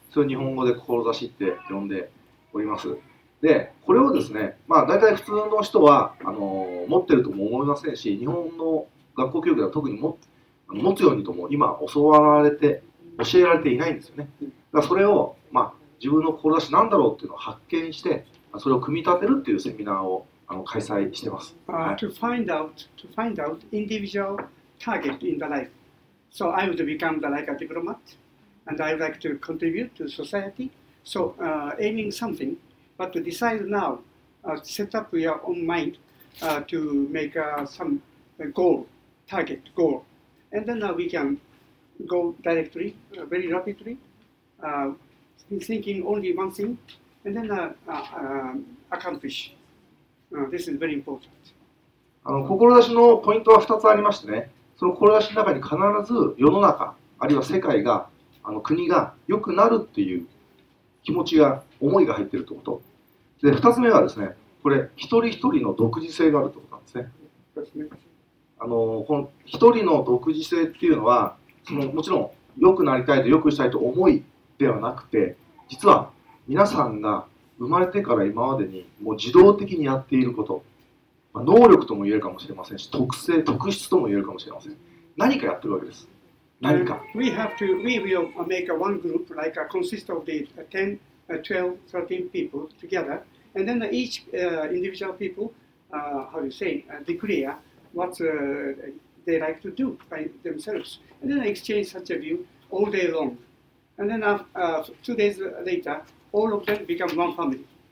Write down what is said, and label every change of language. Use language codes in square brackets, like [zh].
[ja] それを日本語で志って呼んでおります。で、これをですね、まあ大体普通の人は持ってるとも思いませんし、日本の学校教育では特に持つようにとも今教わられて教えられていないんですよね。だからそれを、まあ自分の志なんだろうっていうのを発見して、それを組み立てるっていうセミナーを開催してます。 [en] To find out individual target in the life. So I would become the like a diplomat. And I'd like to contribute to society. So, aiming something, but to decide now, set up your own mind to make some goal, target goal. And then we can go directly, very rapidly, thinking only one thing, and then accomplish. This is very important. [ja] 志のポイントは2つありましてね。その志の中に必ず世の中、あるいは世界が、国が良くなるっていう気持ちが、思いが入っているということ。で、二つ目はですね、これ、一人一人の独自性があるということなんですね。この一人の独自性っていうのは、もちろん、良くなりたいと、良くしたいと思いではなくて、実は、皆さんが生まれてから今までに、もう自動的にやっていること、まあ、能力とも言えるかもしれませんし、特性、特質とも言えるかもしれません。何かやってるわけです。 [en] We have to. We will make a one group, like a consist of the 10, 12, 13 people together, and then each individual people, declare what they like to do by themselves, and then exchange such a view all day long, and then 2 days later, all of them become one family.